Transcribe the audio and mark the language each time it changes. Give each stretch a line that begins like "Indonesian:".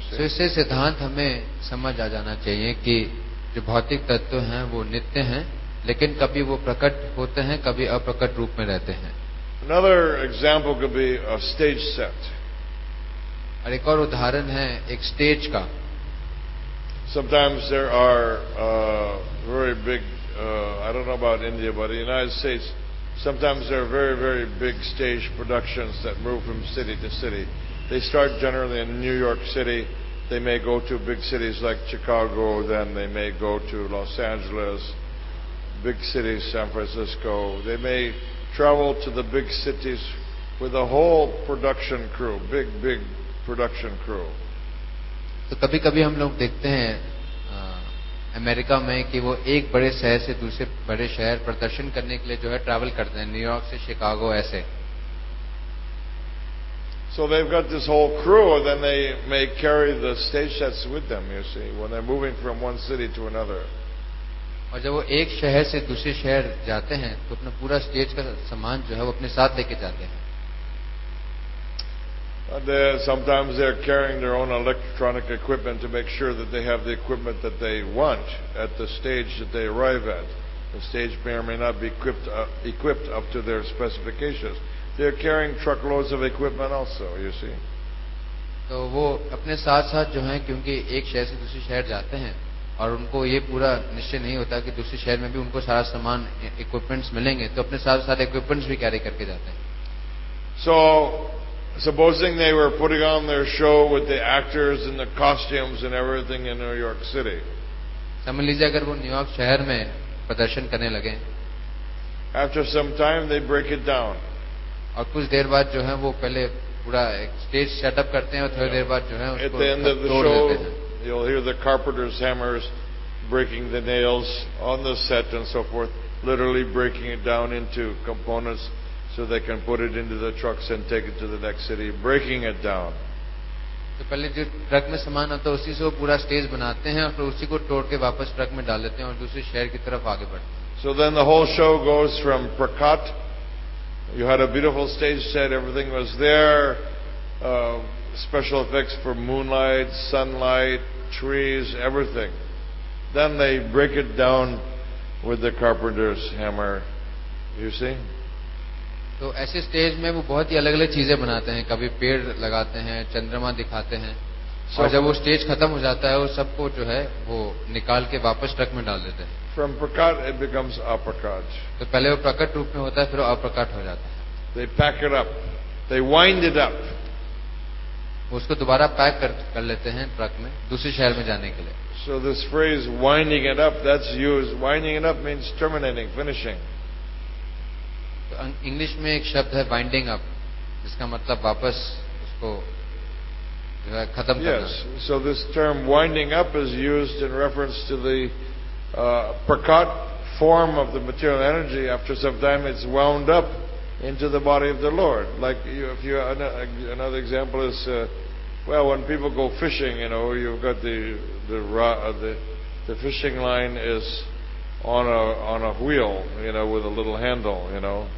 Hindi: So इससे सिद्धांत हमें समझ आ जाना चाहिए कि जो भौतिक तत्व हैं वो नित्य हैं, लेकिन कभी वो प्रकट होते हैं, कभी अप्रकट रूप में रहते हैं.
English: Another example could be a stage set.
Hindi: और एक और उदाहरण है एक स्टेज का.
English: Sometimes there are very big, I don't know about India, but in the United States, sometimes there are very, very big stage productions that move from city to city. They start generally in New York City. They may go to big cities like Chicago. Then they may go to Los Angeles, big cities, San Francisco. They may travel to the big cities with a whole production crew, big, big production crew.
Hindi: तो कभी कभी हम लोग देखते हैं America में कि वो एक बड़े शहर से दूसरे बड़े शहर प्रदर्शन करने के लिए जो है ट्रैवल करते हैं, न्यूयॉर्क से शिकागो ऐसे.
English: So they've got this whole crew, then they may carry the stage sets with them, you see, when they're moving from one city to another.
Hindi: और जब वो एक शहर से दूसरे शहर जाते हैं तो अपना पूरा स्टेज का सामान जो है वो अपने साथ लेके जाते हैं.
English: Sometimes they're carrying their own electronic equipment to make sure that they have the equipment that they want at the stage that they arrive at. The stage may or may not be equipped up to their specifications. They're carrying truckloads of equipment also, you see.
Hindi: तो वो अपने साथ साथ जो है क्योंकि एक शहर से दूसरे शहर जाते हैं और उनको ये पूरा निश्चय नहीं होता कि दूसरे शहर में भी उनको सारा सामान इक्विपमेंट्स मिलेंगे, तो अपने साथ साथ इक्विपमेंट्स भी कैरी करके जाते हैं.
English: So supposing they were putting on their show with the actors and the costumes and everything in New York City.
Hindi: समझ लीजिए अगर वो न्यूयॉर्क शहर में प्रदर्शन करने लगे.
English: After some time they break it down.
Hindi: और कुछ देर बाद जो है वो पहले पूरा एक स्टेज सेटअप करते हैं और थोड़ी देर बाद जो है उसको तोड़ देते हैं.
English: At the end of the show you'll hear the carpenter's hammers breaking the nails on the set and so forth, literally breaking it down into components. So they can put it into the trucks and take it to the next city, breaking it down.
Hindi: तो पहले जो truck में सामान आता है उसी से वो पूरा स्टेज बनाते हैं और उसी को तोड़ के वापस ट्रक में डाल देते हैं और दूसरे शहर की तरफ आगे बढ़ते हैं.
English: So then the whole show goes from prakat. You had a beautiful stage set, everything was there. Special effects for moonlight, sunlight, trees, everything. Then they break it down with the carpenter's hammer. You see?
Hindi: तो ऐसे stage में वो बहुत ही अलग अलग चीजें बनाते हैं, कभी पेड़ लगाते हैं, चंद्रमा दिखाते हैं. So और जब वो स्टेज खत्म हो जाता है वो सबको जो है वो निकाल के वापस ट्रक में डाल देते हैं.
English: From prakat it becomes aprakat.
Hindi: तो पहले वो प्रकट रूप में होता है फिर वो अप्रकट हो जाता है.
English: They pack it up. They wind it up.
Hindi: उसको दोबारा पैक कर लेते हैं ट्रक में दूसरे शहर में जाने के लिए.
English: So this phrase winding it up, that's used. Winding it up means terminating, finishing.
Hindi: English में एक शब्द है वाइंडिंग अप, जिसका मतलब वापस उसको जो है खत्म करना.
English: Yes, so this term winding up is used in reference to the prakat form of the material energy. After some time it's wound up into the body of the Lord. Like you, if you another example is well, when people go fishing, you know, you've got the fishing line is on a wheel, you know, with a little handle, you know.